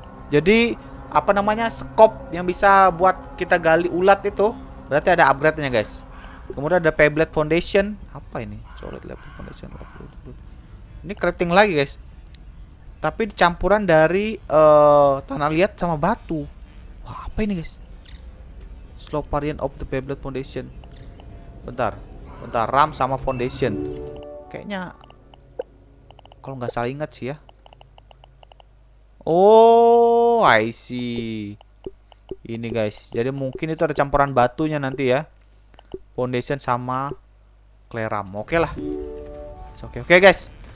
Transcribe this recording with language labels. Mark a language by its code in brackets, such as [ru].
[id] Jadi apa namanya, scope yang bisa buat kita gali ulat itu. Berarti ada upgrade nya guys. Kemudian ada pebblet foundation. Apa ini? Solid level foundation. Ini crafting lagi guys. Tapi campuran dari tanah liat sama batu. Wah apa ini guys? [en] Slow variant of the pebblet foundation. [id] Bentar. RAM sama foundation. Kayaknya kalau nggak salah ingat sih ya. [en] Oh, I see. [id] Ini guys. Jadi mungkin itu ada campuran batunya nanti ya. Foundation sama clay RAM. Oke lah. Oke guys.